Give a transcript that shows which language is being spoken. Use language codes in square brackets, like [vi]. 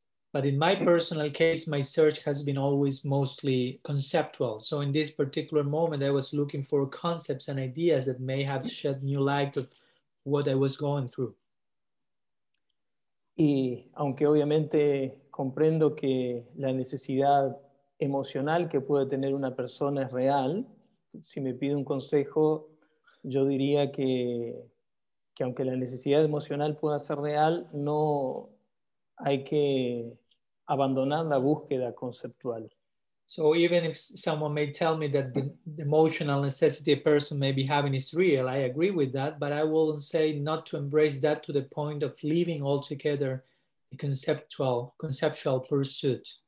[en] But in my personal case, my search has been always mostly conceptual. So in this particular moment, I was looking for concepts and ideas that may have shed new light of what I was going through. [es] Y aunque obviamente comprendo que la necesidad emocional que puede tener una persona es real, si me pide un consejo, yo diría que aunque la necesidad emocional pueda ser real, no hay que abandonar la búsqueda conceptual. [en] So even if someone may tell me that the emotional necessity a person may be having is real, I agree with that, but I will say not to embrace that to the point of leaving altogether the conceptual pursuit.